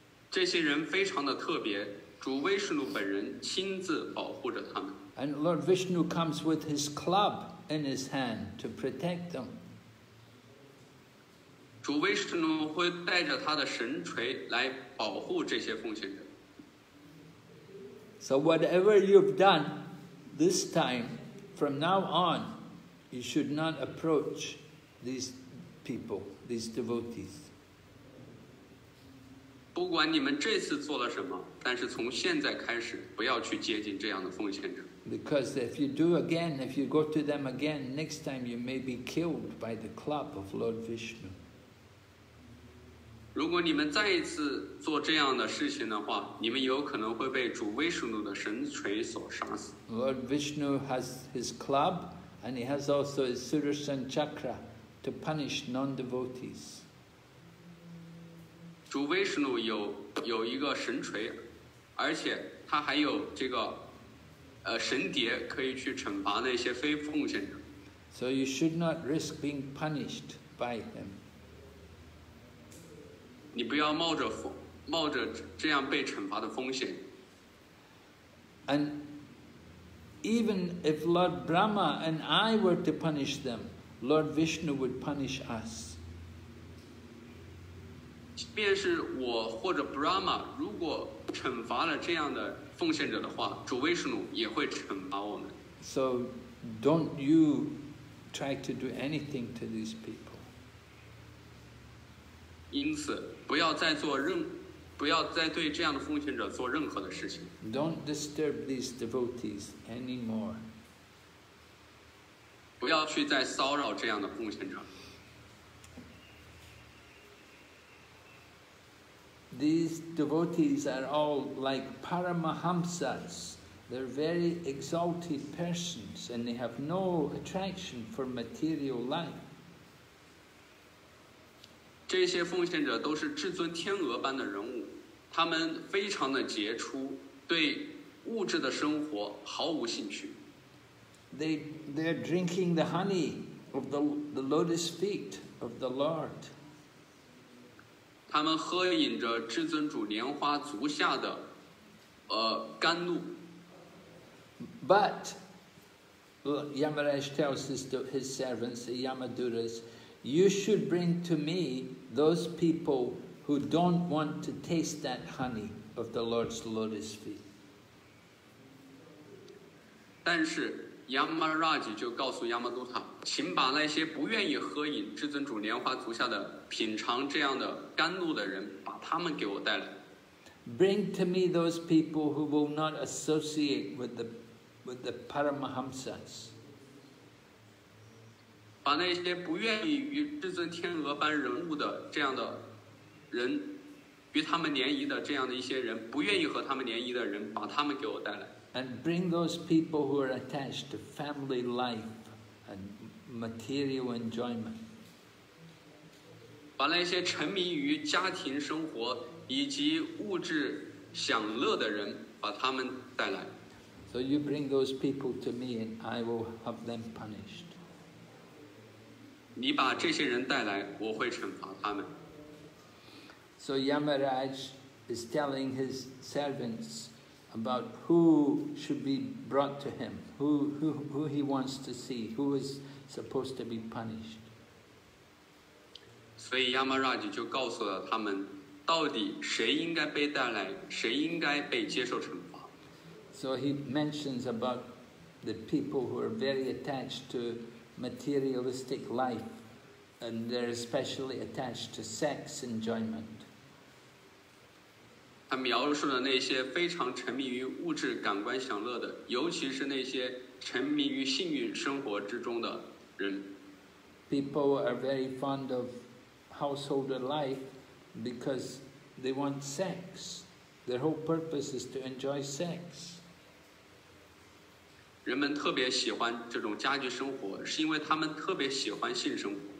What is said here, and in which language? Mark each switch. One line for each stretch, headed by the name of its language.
Chinese: 这些人非常的特别，主威士努本人亲自保护着他们。
English: And Lord Vishnu comes with his club in his hand to protect them.
Chinese: 主威士努会带着他的神锤来保护这些奉献者。
English: So whatever you've done this time, from now on, you should not approach. These people, these devotees.
Chinese: 不管你们这次做了什么，但是从现在开始，不要去接近这样的奉献者。
English: Because if you do again, if you go to them again, next time you may be killed by the club of Lord Vishnu.
Chinese: 如果你们再一次做这样的事情的话，你们有可能会被主威士努的神锤所杀死。
English: Lord Vishnu has his club, and he has also his Sudarshan Chakra. To punish non-devotees.
Chinese: 主威士努有一个神锤，而且他还有这个神碟，可以去惩罚那些非奉献者。
English: So you should not risk being punished by him.
Chinese: 你不要冒着这样被惩罚的风险。
English: And even if Lord Brahma and I were to punish them. Lord Vishnu would punish us.
Chinese: 即便是我或者 Brahma 如果惩罚了这样的奉献者的话，主威士努也会惩罚我们。
English: So don't you try to do anything to these people.
Chinese: 因此不要再做任不要再对这样的奉献者做任何的事情。
English: Don't disturb these devotees anymore.
Chinese: 不要去再骚扰这样的奉献者。
English: These devotees are all like Paramahamsas. They're very exalted persons and they have no attraction for material life.
Chinese: 这些奉献者都是至尊天鹅般的人物。他们非常的杰出，对物质的生活毫无兴趣。
English: They are drinking the honey of the lotus feet of the Lord.
Chinese: 他们喝饮着至尊主莲花足下的甘露。
English: But Yamaraj tells his servants, the Yamaduras, you should bring to me those people. Who don't want to taste that honey of the Lord's lotus feet.
Chinese: 但是 Yamaraj 就告诉 Yamaduta, 请把那些不愿意喝饮至尊主莲花足下的品尝这样的甘露的人把他们给我带来。
English: Bring to me those people who will not associate with the Paramahamsas.
Chinese: 把那些不愿意与至尊天鹅般人物的这样的人与他们联谊的这样的一些人不愿意和他们联谊的人把他们给我带来
English: and bring those people who are attached to family life and material enjoyment
Chinese: 把那些沉迷于家庭生活以及物质享乐的人把他们带来
English: so you bring those people to me and I will have them punished
Chinese: 你把这些人带来我会惩罚他们
English: So Yamaraj is telling his servants about who should be brought to him, who he wants to see, who is supposed to be punished.
Chinese: So Yamaraj 就告诉了他们，到底谁应该被带来，谁应该被接受惩罚。
English: So he mentions about the people who are very attached to materialistic life, and they're especially attached to sex enjoyment.
Chinese: 他描述了那些非常沉迷于物质感官享乐的，尤其是那些沉迷于性欲生活之中的人。
English: People are very fond of household life because they want sex. Their whole purpose is to enjoy sex.
Chinese: 人们特别喜欢这种家居生活，是因为他们特别喜欢性生活。